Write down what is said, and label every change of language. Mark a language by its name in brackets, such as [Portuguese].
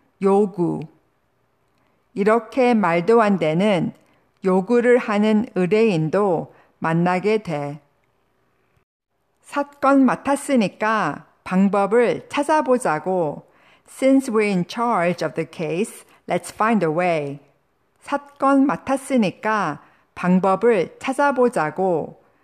[Korean] 요구 이렇게 말도 안 되는 요구를 하는 의뢰인도 만나게 돼. 사건 맡았으니까 방법을 찾아보자고. [English] Since we're in charge of the case, let's find a way. [Korean] 사건 맡았으니까 방법을 찾아보자고.